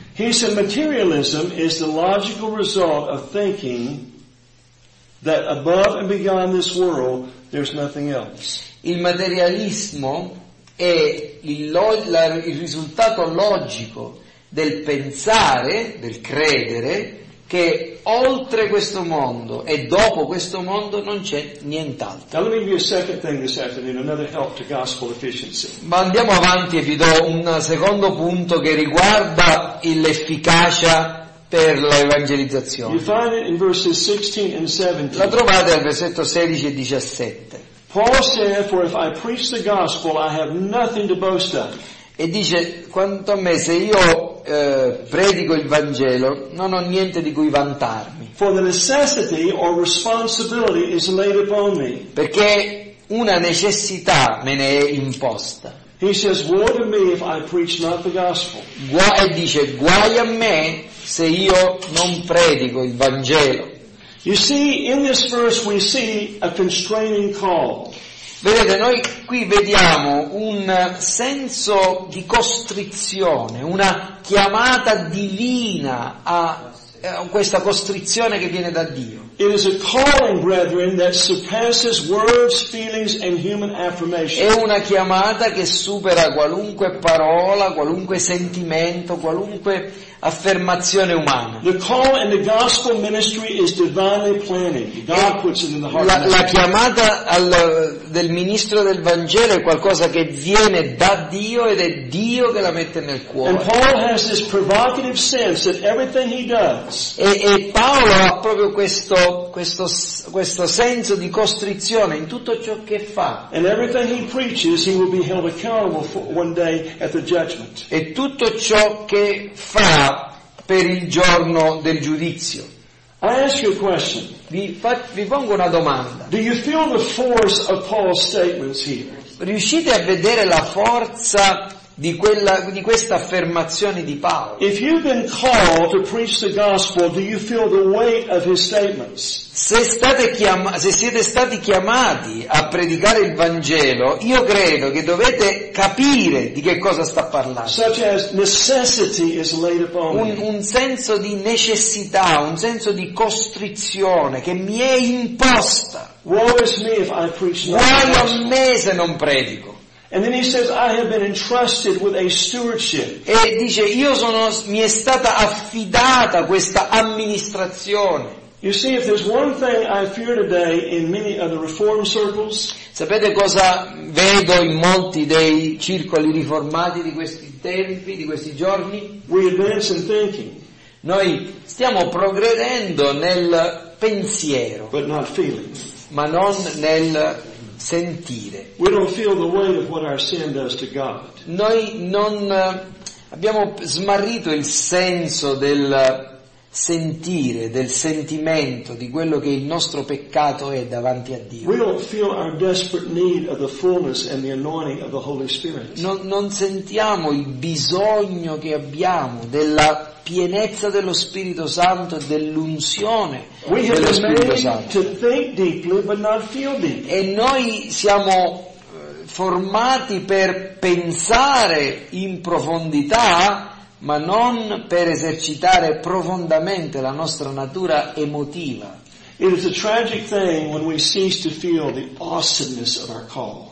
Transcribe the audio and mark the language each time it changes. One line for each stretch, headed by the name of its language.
English: He said materialism is the logical result of thinking that above and beyond this world there's nothing else.
Italian: Il materialismo è il risultato logico del pensare, del credere che oltre questo mondo e dopo questo mondo non c'è nient'altro.
English: Now let me give you a second thing this afternoon, another help to gospel efficiency.
Italian: Ma andiamo avanti e vi do un secondo punto che riguarda l'efficacia per l'evangelizzazione.
English: You find it in verses 16 and 17.
Italian: La trovate al versetto 16 e 17.
English: Paul said, for if I preach the gospel, I have nothing to boast of.
Italian: E dice, quanto a me, se io predico il Vangelo, non ho niente di cui vantarmi.
English: For the necessity or responsibility is laid upon me.
Italian: Perché una necessità me ne è imposta.
English: He says, woe to me if I preach not the gospel.
Italian: E dice, guai a me se io non predico il Vangelo.
English: You see, in this verse we see a constraining call.
Italian: Vedete, noi qui vediamo un senso di costrizione, una chiamata divina a questa costrizione che viene da Dio.
English: It is a calling, brethren, that surpasses words, feelings, and human affirmation.
Italian: È una chiamata che supera qualunque parola, qualunque sentimento, qualunque affermazione umana.
English: The call in the gospel ministry is divinely planted. God puts it in the heart.
Italian: La chiamata del ministro del Vangelo è qualcosa che viene da Dio ed è Dio che la mette nel cuore.
English: And Paul has this provocative sense that everything he does.
Italian: E Paolo ha proprio questo senso di costrizione in tutto ciò che fa.
English: And everything he preaches, he will be held accountable for one day at the judgment.
Italian: E tutto ciò che fa per il giorno del giudizio.
English: I ask you a question.
Italian: Vi pongo una domanda.
English: Do you feel the force of Paul's statements here?
Italian: Riuscite a vedere la forza di questa affermazione di Paolo?
English: If you've been called to preach the gospel, do you feel the weight of his statements?
Italian: Se siete stati chiamati a predicare il Vangelo, io credo che dovete capire di che cosa sta parlando.
English: Such as necessity is laid upon me.
Italian: Un senso di necessità, un senso di costrizione che mi è imposta.
English: Woe is me if I preach not.
Italian: Guai a me se non predico.
English: And then he says, I have been entrusted with a stewardship.
Italian: E dice, mi è stata affidata questa amministrazione.
English: You see, if there's one thing I fear today in many of the reform circles,
Italian: sapete cosa vedo in molti dei circoli riformati di questi tempi, di questi giorni?
English: We advance in thinking.
Italian: Noi stiamo progredendo nel pensiero,
English: but not feeling.
Italian: Ma non nel sentire.
English: We don't feel the weight of what our sin does to God.
Italian: Noi non abbiamo smarrito il senso del sentire, del sentimento di quello che il nostro peccato è davanti a Dio.
English: We don't feel our desperate need of the fullness and the anointing of the Holy Spirit.
Italian: Non sentiamo il bisogno che abbiamo della pienezza dello Spirito Santo e dell'unzione dello Spirito Santo.
English: To think deeply, but not feel deeply.
Italian: E noi siamo formati per pensare in profondità, ma non per esercitare profondamente la nostra natura emotiva.
English: It is a tragic thing when we cease to feel the awesomeness of our call.